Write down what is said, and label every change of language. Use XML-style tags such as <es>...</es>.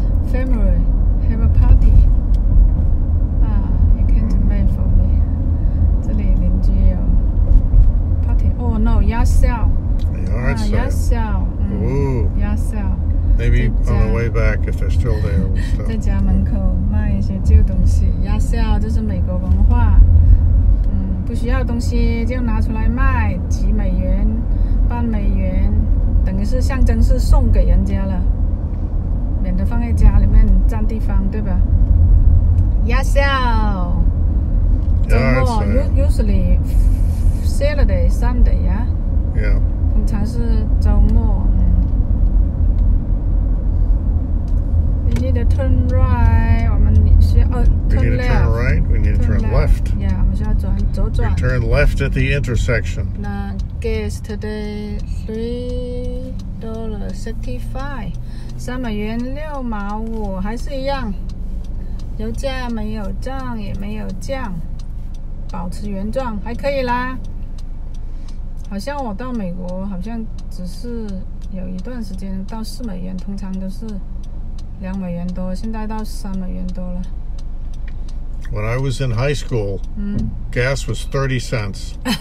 <en>February, have a party. You can't wait for me.</en> <zh>这里邻居有 party.</zh> <en>Oh no, yard sale. Yard sale. Yard sale. Yard sale. Maybe on the way back if they're still there.</en> <zh>在家门口卖一些旧东西。Yard sale 就是美国文化。不需要东西就拿出来卖，几美元、半美元，等于是象征是送给人家了。免得放在家里面占地方，对吧 ？Yard sale， 周末 usually Saturday Sunday 呀、</zh> <en>yeah? ，</en> <zh>通常是周末。</zh> <en>We need to turn right，我们需要 turn left。</en> <zh>Yeah， 我们需要转左转。</zh> <en>We turn left at the intersection。那 gas today $3.65。</en> <zh>$3.65还是一样，油价没有涨也没有降，保持原状还可以啦。好像我到美国好像只是有一段时间到$4，通常都是$2多，现在到$3多了。</zh> <en>When I was in high school, gas was 30 cents.</en>